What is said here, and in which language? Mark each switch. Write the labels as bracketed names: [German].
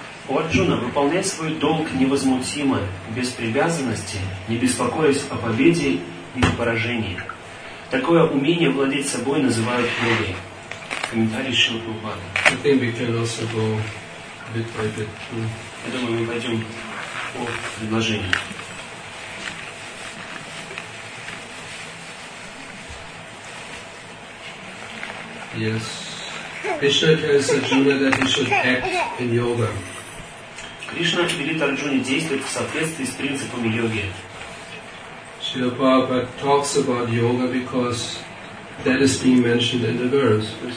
[Russian] О Арджуна, выполняй свой долг невозмутимо, без привязанности, не беспокоясь о победе или поражении. Такое умение владеть собой называют йогой. Комментарий Шрилы Прабхупады. [English] I think we can also go bit by bit. [Russian] Я думаю, мы пойдем по предложению. [English] Yes. Krishna tells Arjuna that he should act in yoga. [Russian] Krishna велит Арджуне действовать в соответствии с принципами йоги. [English] Srila Prabhupada talks about yoga because that is being mentioned in the verse.